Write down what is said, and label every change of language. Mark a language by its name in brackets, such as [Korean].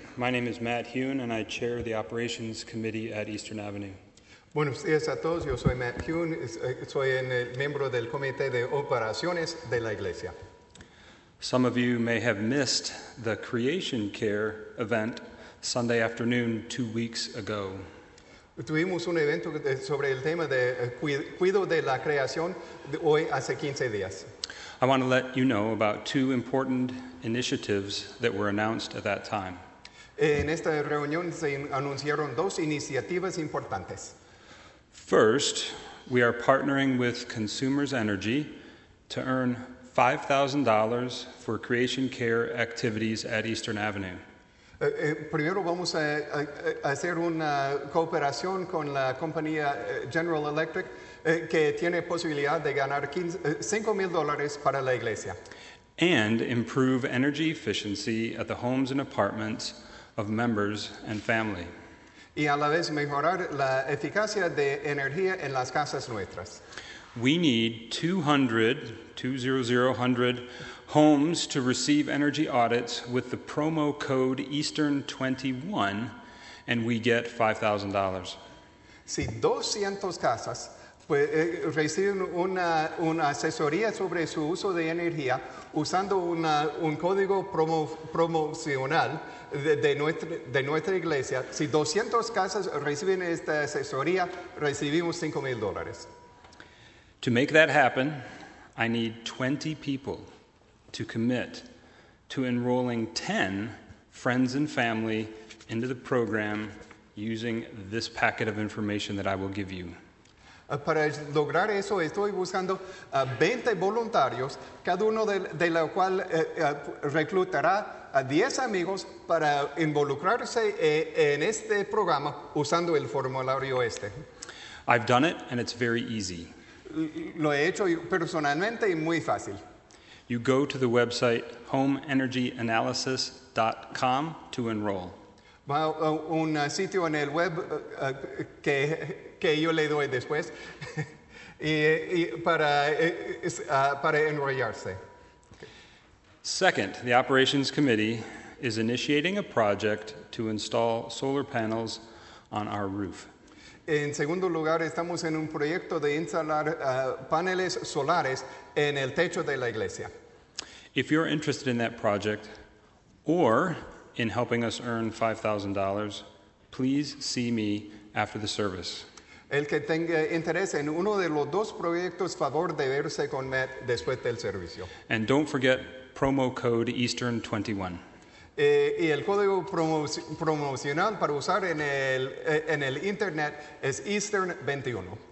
[English] My name is Matt Hune, and I chair the Operations Committee at Eastern Avenue. [Spanish] Buenos días a todos. Yo soy Matt Hune. Soy el miembro del Comité de Operaciones de la Iglesia. [English] Some of you may have missed the Creation Care event Sunday afternoon 2 weeks ago. [Spanish] Tuvimos un evento sobre el tema de cuido de la creación hoy hace 15 días. [English] I want to let you know about two important initiatives that were announced at that time. [Spanish] En esta reunión se anunciaron dos iniciativas importantes. [English] First, we are partnering with Consumers Energy to earn $5,000 for creation care activities at Eastern Avenue. [Spanish] Primero vamos a hacer una cooperación con la compañía General Electric, que tiene posibilidad de ganar $5,000 para la iglesia. [English] And improve energy efficiency at the homes and apartments of members and family. [Spanish] Y a la vez mejorar la eficacia de energía en las casas nuestras. [English] We need 200 homes to receive energy audits with the promo code EASTERN21 and we get $5,000. [Spanish] Si 200 casas pues, reciben una asesoría sobre su uso de energía usando un código promocional de nuestra iglesia, si 200 casas reciben esta asesoría, recibimos $5,000. [English] To make that happen, I need 20 people to commit to enrolling 10 friends and family into the program using this packet of information that I will give you. [Spanish] Para lograr eso, estoy buscando 20 voluntarios, cada uno de los cuales reclutará a 10 amigos para involucrarse en este programa usando el formulario este. [English] I've done it, and it's very easy. [Spanish] Lo he hecho personalmente y muy fácil. [English] You go to the website homeenergyanalysis.com to enroll. [Spanish] Un sitio en el web que yo le doy después y para enrollarse. [English] Second, the operations committee is initiating a project to install solar panels on our roof. [Spanish] En segundo lugar, estamos en un proyecto de instalar paneles solares en el techo de la iglesia. [English] If you're interested in that project or in helping us earn $5,000, please see me after the service. [Spanish] El que tenga interés en uno de los dos proyectos, favor de verse con Matt después del servicio. [English] And don't forget promo code EASTERN21. [Spanish] Y el código promocional para usar en el internet es EASTERN21.